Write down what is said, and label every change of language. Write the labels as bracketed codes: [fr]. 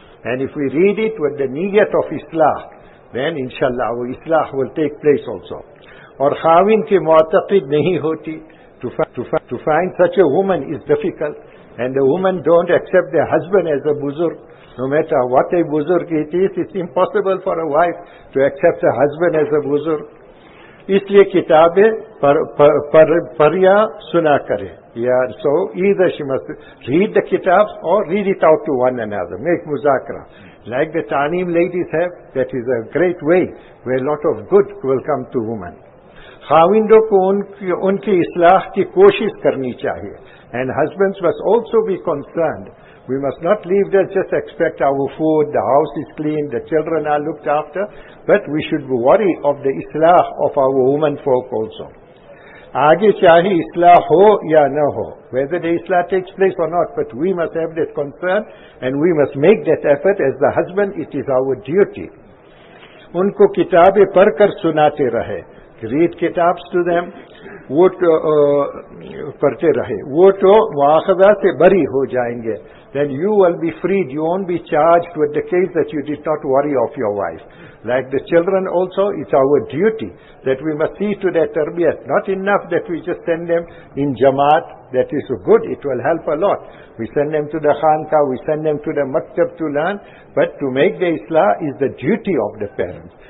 [en] And if we read it with the niyat of islah, then inshallah our islah will take place also. [ur] Aur khawin ki mu'taqid nahi hoti, [en] to find such a woman is difficult. And the woman don't accept their husband as a buzurg. No matter what a buzurg it is, it's impossible for a wife to accept a husband as a buzurg. [ur] اس لیے کتابیں پڑھیا سنا کریں. [en] So either she must read the kitabs or read it out to one another. Make muzakara. Like the Ta'aneem ladies have, that is a great way where a lot of good will come to women. [ur] خاوندوں کو ان کی اصلاح کی کوشش کرنی چاہیے. [en] And husbands must also be concerned. We must not leave them just expect our food, the house is clean, the children are looked after. But we should be worried of the islah of our woman folk also. [ur] Aage chahi islah ho ya na ho, [en] whether the islah takes place or not, but we must have that concern and we must make that effort as the husband. It is our duty. [ur] Unko kitabe par kar sunate rahe, [en] read kitabs to them. [ur] وہ تو پڑھتے رہے, وہ تو مواخذہ سے بری ہو جائیں گے. [en] Then you will be freed, you won't be charged with the case that you did not worry of your wife. Like the children also, it's our duty that we must see to their tarbiyat. Not enough that we just send them in jamaat, that is good, it will help a lot. We send them to the khanka, we send them to the maktab to learn, but to make the islah is the duty of the parents.